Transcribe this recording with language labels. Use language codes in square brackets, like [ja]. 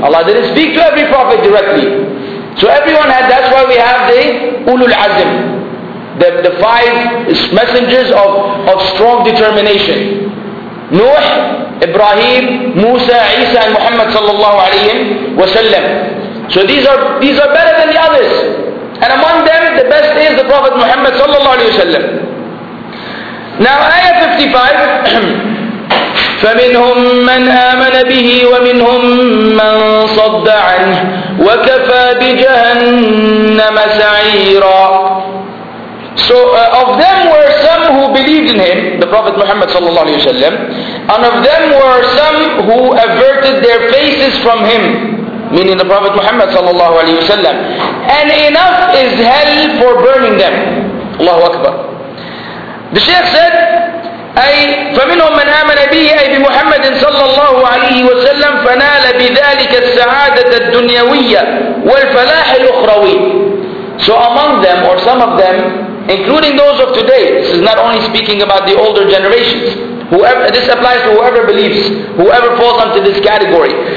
[en] Allah didn't speak to every prophet directly. So everyone had, that's why we have the Ulul Azm, the five messengers of strong determination. Nuh, Ibrahim, Musa, Isa, and Muhammad sallallahu alayhi wa sallam. So these are better than the others. And among them, the best is the Prophet Muhammad sallallahu alayhi wa sallam. Now ayah 55, [ar] فَمِنْهُمْ مَنْ آمَنَ بِهِ وَمِنْهُمْ مَنْ صَدَّ عَنْهِ وَكَفَى بِجَهَنَّمَ سَعِيرًا. [en] So of them were some who believed in him, the Prophet Muhammad sallallahu alayhi wa sallam, and of them were some who averted their faces from him, meaning the Prophet Muhammad sallallahu alayhi wa sallam, and enough is hell for burning them. Allahu Akbar. The Shaykh said, [ar] أي فمنهم من آمن به أي بمحمد صلى الله عليه وسلم فنال بذلك السعادة الدنيوية والفلاح الأخروي. [en] So among them, or some of them, including those of today, this is not only speaking about the older generations, whoever, this applies to whoever believes, whoever falls into this category.